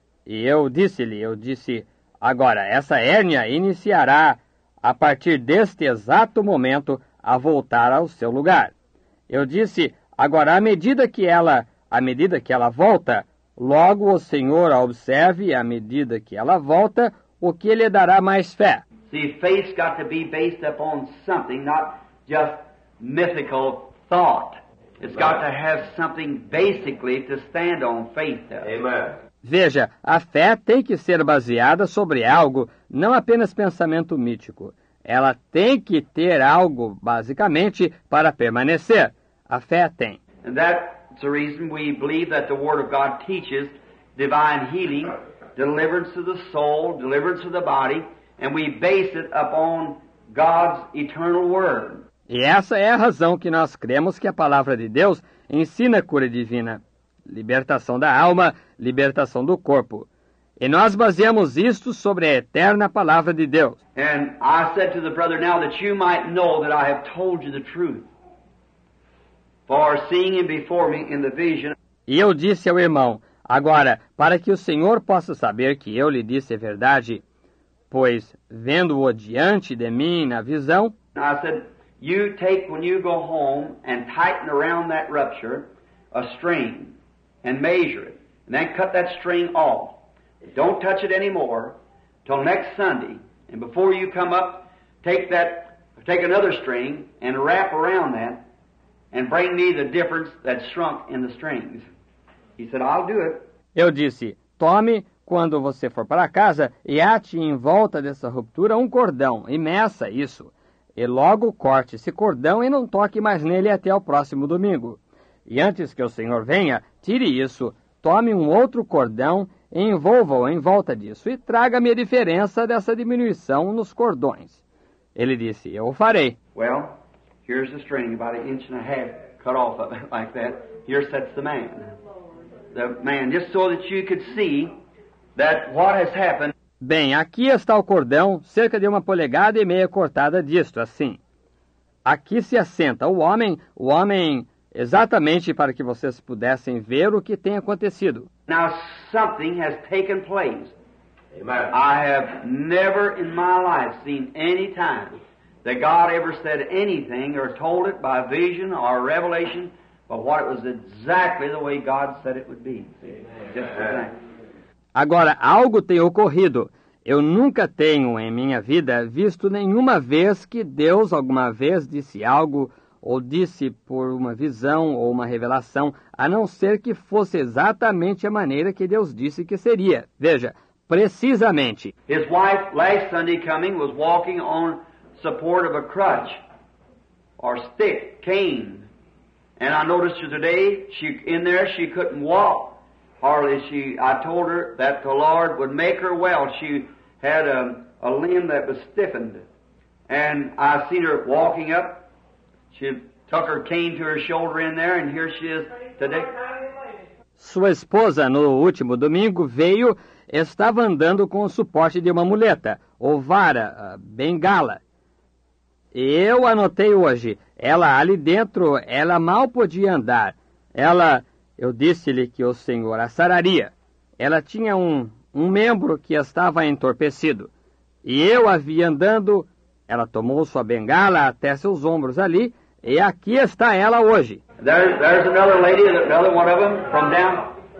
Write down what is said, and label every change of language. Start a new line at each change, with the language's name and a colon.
Portuguese: E eu disse, agora, essa hérnia iniciará, a partir deste exato momento, a voltar ao seu lugar. Eu disse, agora, à medida que ela volta, logo o Senhor a observe, à medida que ela volta, o que lhe dará mais fé.
English: See, faith's got to be based upon something, not just mythical thought. It's got to have something basically to stand on faith. Amen.
Portuguese: Veja, a fé tem que ser baseada sobre algo, não apenas pensamento mítico. Ela tem que ter algo, basicamente, para permanecer. A fé tem.
English: And that's the reason we believe that the Word of God teaches divine healing, deliverance of the soul, deliverance of the body, and we base it upon God's eternal Word.
Portuguese: E essa é a razão que nós cremos que a Palavra de Deus ensina a cura divina. Libertação da alma, libertação do corpo. E nós baseamos isto sobre a eterna Palavra de Deus.
English: And I said to the brother now that you might know that I have told you the truth. For seeing him before me in the vision.
Portuguese: E eu disse ao irmão, agora, para que o Senhor possa saber que eu lhe disse a verdade, pois vendo-o diante de mim na visão,
English: I said, you take when you go home and tighten around that rupture a string and measure it, and then cut that string off. Don't touch it anymore till next Sunday, and before you come up, take another string and wrap around that and bring me the difference that shrunk in the strings. He said, I'll do it.
Portuguese: Eu disse, tome, quando você for para casa, e ate em volta dessa ruptura um cordão, e meça isso. E logo corte esse cordão e não toque mais nele até o próximo domingo. E antes que o Senhor venha, tire isso, tome um outro cordão, envolva-o em volta disso e traga-me a diferença dessa diminuição nos cordões. Ele disse, eu o farei.
English: Well, here's the string, about an inch and a half cut off of it like that. Here sits the man. The man, just so that you could see that what has happened.
Portuguese: Bem, aqui está o cordão, cerca de uma polegada e meia cortada disto, assim. Aqui se assenta o homem, exatamente para que vocês pudessem ver o que tem acontecido.
English: Now, something has taken place. Amen. I have never in my life seen any time that God ever said anything or told it by vision or revelation, but what it was exactly the way God said it would be. Amen. Just the same.
Portuguese: Agora, algo tem ocorrido. Eu nunca tenho, em minha vida, visto nenhuma vez que Deus alguma vez disse algo ou disse por uma visão ou uma revelação, a não ser que fosse exatamente a maneira que Deus disse que seria. Veja, precisamente.
English: His wife, last Sunday coming, was walking on support of a crutch or stick, cane. And I noticed today, she couldn't walk. Hardly she, I told her that the Lord would make her well. She had a limb that was stiffened. And I seen her walking up. She took her cane to her shoulder in there, and here she is today.
Portuguese: Sua esposa, no último domingo, veio, estava andando com o suporte de uma muleta, ou vara, bengala. E eu anotei hoje, ela ali dentro, ela mal podia andar. Eu disse-lhe que o Senhor a sararia. Ela tinha um membro que estava entorpecido. E eu a vi andando, ela tomou sua bengala até seus ombros ali, e aqui está ela hoje.
English: There's another lady, another one of them, from down.